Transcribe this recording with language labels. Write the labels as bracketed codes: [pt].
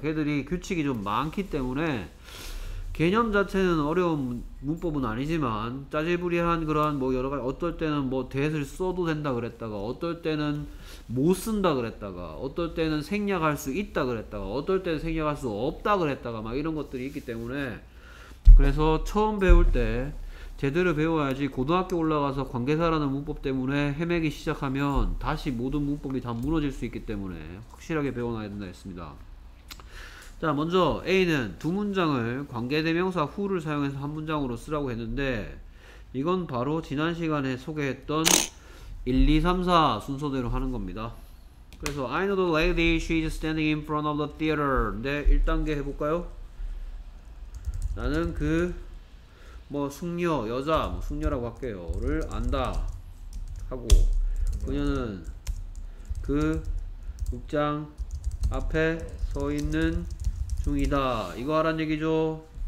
[ko] 걔들이 규칙이 좀 많기 때문에 개념 자체는 어려운 문법은 아니지만 짜질부리한 그러한 뭐 여러 가지 어떨 때는 뭐 that을 써도 된다 그랬다가 어떨 때는 못 쓴다 그랬다가 어떨 때는 생략할 수 있다 그랬다가 어떨 때는 생략할 수 없다 그랬다가 막 이런 것들이 있기 때문에 그래서 처음 배울 때 제대로 배워야지 고등학교 올라가서 관계사라는 문법 때문에 헤매기 시작하면 다시 모든 문법이 다 무너질 수 있기 때문에 확실하게 배워놔야 된다 했습니다. 자, 먼저 A는 두 문장을 관계대명사 who를 사용해서 한 문장으로 쓰라고 했는데 이건 바로 지난 시간에 소개했던 1, 2, 3, 4 순서대로 하는 겁니다. 그래서 [en] I know the lady, she is standing in front of the theater. [ko] 네, 1단계 해볼까요? 나는 그뭐 숙녀, 여자, 뭐 숙녀라고 할게요를 안다 하고 그녀는 그 극장 앞에 서 있는 중이다. 이거 하란 얘기죠?